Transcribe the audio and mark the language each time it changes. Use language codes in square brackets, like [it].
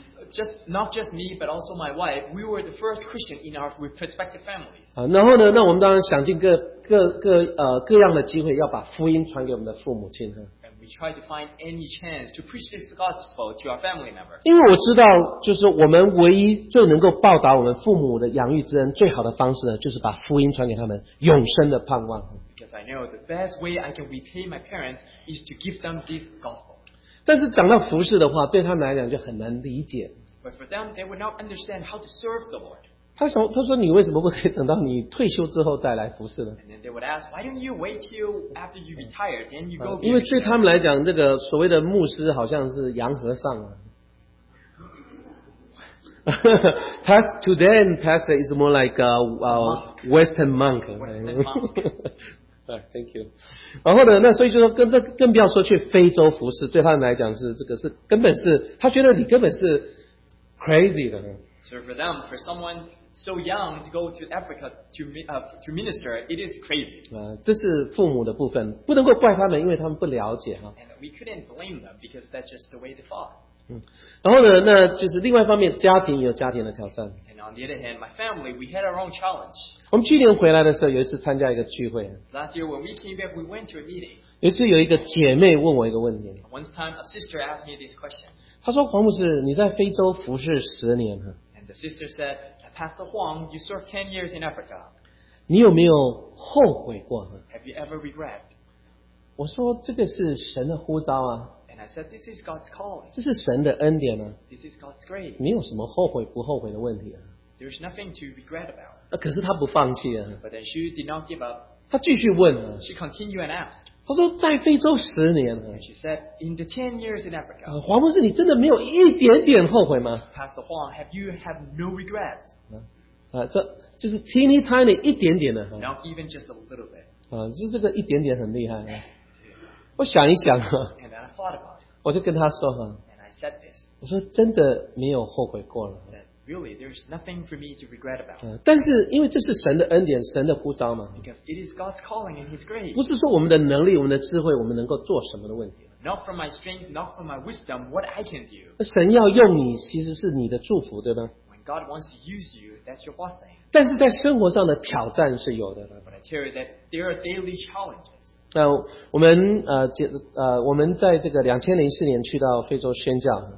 [en] Just not just me, but also my wife. We were the first Christian in our respective families. [zh] 然后呢，那我们当然想尽各样的机会，要把福音传给我们的父母亲。 [en] And we try to find any chance to preach this gospel to our family members. [zh] 因为我知道，就是我们唯一最能够报答我们父母的养育之恩最好的方式呢，就是把福音传给他们永生的盼望。 [en] Because I know the best way I can repay my parents is to give them this gospel. [zh] 但是讲到服事的话，对他们来讲就很难理解。 [en] But for them, they would not understand how to serve the Lord. [zh] 他说你为什么不可以等到你退休之后再来服事呢？ [en] And then they would ask, why don't you wait till after you retire, then you go? [zh] 因为对他们来讲，这个所谓的牧师好像是洋和尚啊。 [en] Past today, pastor is more like a Western monk. Western monk. Thank you. [zh] 然后呢，那所以就说更不要说去非洲服事，对他们来讲是这个是根本是他觉得你根本是 crazy 的。 [en] So for them, for someone so young to go to Africa to minister, it is crazy. [zh] 这是父母的部分，不能够怪他们，因为他们不了解哈。 [en] And we couldn't blame them because that's just the way they thought. [zh] 然后呢，那就是另外一方面，家庭有家庭的挑战。 [en] On the other hand, my family, we had our own challenge. [zh] 我们去年回来的时候，有一次参加一个聚会。 [en] Last year, when we came back, we went to a meeting. [zh] 有一次有一个姐妹问我一个问题。 [en] One time, a sister asked me this question. [zh] 她说：“黄牧师，你在非洲服事十年了。” [en] And the sister said, Pastor Huang, you served 10 years in Africa. [zh] 你有没有后悔过？ [en] Have you ever regretted? [zh] 我说：“这个是神的呼召啊。” [en] And I said, this is God's call. [zh] 这是神的恩典啊。 [en] This is God's grace. [zh] 你有什么后悔不后悔的问题啊？ [en] There's nothing to regret about. [zh] 可是他不放弃啊。 [en] But then she did not give up. [zh] 他继续问啊。 [en] She continued and asked. [zh] 他说在非洲十年啊。 [en] She said, in the 10 years in Africa. [zh] 黄牧师，你真的没有一点点后悔吗？ [en] Pastor Huang, have you have no regrets? [zh] 这就是 [en] teeny tiny [zh] 一点点的。 [en] Not even just a little bit. [zh] 就是这个一点点很厉害啊。我想一想啊。 [en] And then I thought about it. [zh] 我就跟他说啊。 [en] And I said this. [zh] 我说真的没有后悔过了。 [en] really, there's nothing for me to regret about. [zh] 但是因为这是神的恩典，神的呼召嘛。 [en] Because it is God's calling and His grace. [zh] 不是说我们的能力，我们的智慧，我们能够做什么的问题。 [en] Not from my strength, not from my wisdom, what I can do. [zh] 神要用你，其实是你的祝福，对吧？ [en] When God wants to use you, that's your blessing. [zh] 但是在生活上的挑战是有的。 [en] But I tell you that there are daily challenges. [zh] 那我们我们在这个2004年去到非洲宣教。